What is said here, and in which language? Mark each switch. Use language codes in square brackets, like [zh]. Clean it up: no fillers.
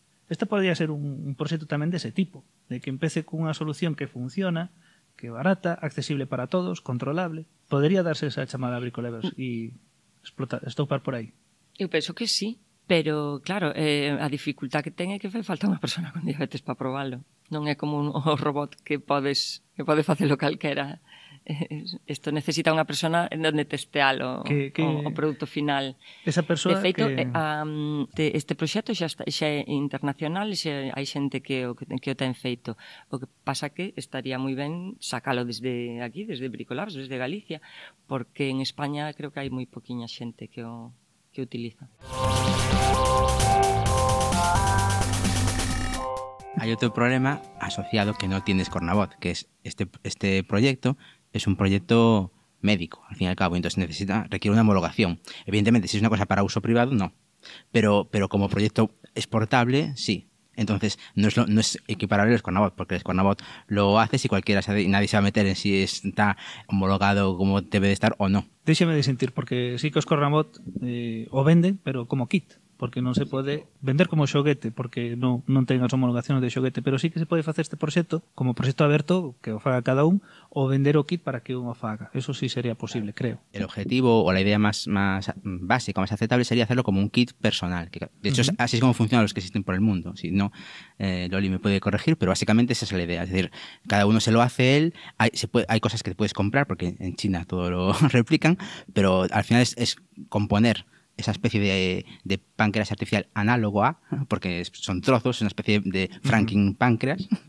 [gl] Este podría ser un proxecto tamén dese tipo, de que empece cunha solución que funciona, que é barata, accesible para todos, controlable. Podería darse esa chamada a bricolabres e estoupar por aí? Eu penso que sí, pero claro, a dificultad que ten é que falta unha persona con diabetes para probarlo. Non é como un robot que pode facelo calquera. Isto necesita unha persona onde testealo o produto final. Esa persoa, de feito, que... este proxecto xa é internacional, xa hai xente que o ten feito. O que pasa que estaría moi ben sacalo desde aquí, desde Bricolabs, desde Galicia, porque en España creo que hai moi poquinha xente que utiliza. [es] Hay otro problema asociado que no tienes Cornavoz, que es este proyecto es un proyecto médico, al fin y al cabo, entonces requiere una homologación. Evidentemente, si es una cosa para uso privado, no. Pero como proyecto exportable, sí. Entonces, no es equiparable al Cornavoz, porque el Cornavoz lo hace si cualquiera se hace y nadie se va a meter en si está homologado como debe de estar o no. Déjame de sentir, porque sí que el Cornavoz o vende, pero como kit. [gl] Porque non se pode vender como xoguete, porque non ten as homologacións de xoguete, pero sí que se pode facer este proxecto como proxecto aberto, que o faga cada un, ou vender o kit para que un o faga. [es] Eso sí sería posible, creo. [gl] El objetivo ou a idea máis básica, máis aceptable, [es] sería hacerlo como un kit personal. Que, de hecho, así es como funcionan los que existen por el mundo. Si no, Loly me puede corregir, pero básicamente esa es la idea. Es decir, cada uno se lo hace él, hay cosas que puedes comprar, porque en China todo lo replican, pero al final es componer esa especie de páncreas artificial análogo a, porque son trozos, una especie de franking páncreas,